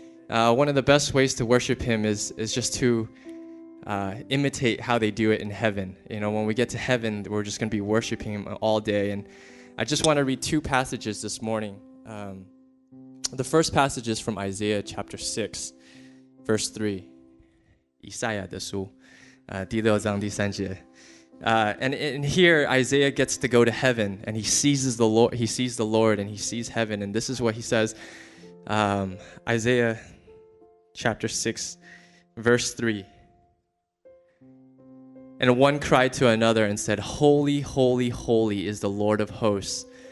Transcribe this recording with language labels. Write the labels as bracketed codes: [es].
[en] One of the best ways to worship Him is just to imitate how they do it in heaven. When we get to heaven, we're just going to be worshiping Him all day. And I just want to read two passages this morning. The first passage is from Isaiah chapter 6, verse 3. [zh] 以赛亚的书，第六章第三节。 [en] And here Isaiah gets to go to heaven, and he sees the Lord. He sees the Lord, and he sees heaven. And this is what he says, Isaiah chapter 6, verse 3. And one cried to another and said, "Holy, holy, holy is the Lord of hosts.